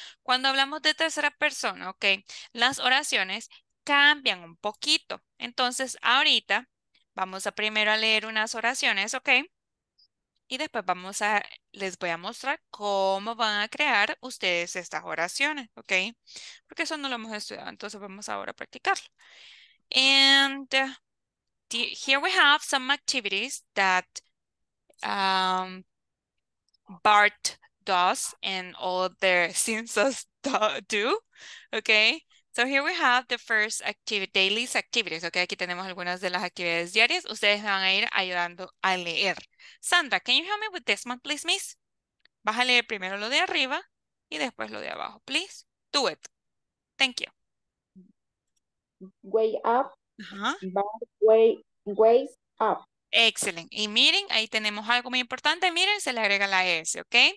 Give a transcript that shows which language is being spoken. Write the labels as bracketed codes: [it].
[es] Cuando hablamos de tercera persona, ok, las oraciones cambian un poquito. Entonces, ahorita vamos a primero a leer unas oraciones, ok, y después vamos a, les voy a mostrar cómo van a crear ustedes estas oraciones, ok, porque eso no lo hemos estudiado, entonces vamos ahora a practicarlo. [en] And here we have some activities that Bart does and all their sensors do. Okay, so here we have the first activity, daily activities. [es] Okay, aquí tenemos algunas de las actividades diarias. Ustedes me van a ir ayudando a leer. [en] Sandra, can you help me with this one, please, miss? [es] Vas a leer primero lo de arriba y después lo de abajo, please. [en] Do it. Thank you. Way up. Ways up. [es] Excelente. Y miren, ahí tenemos algo muy importante. Miren, se le agrega la S, ¿ok?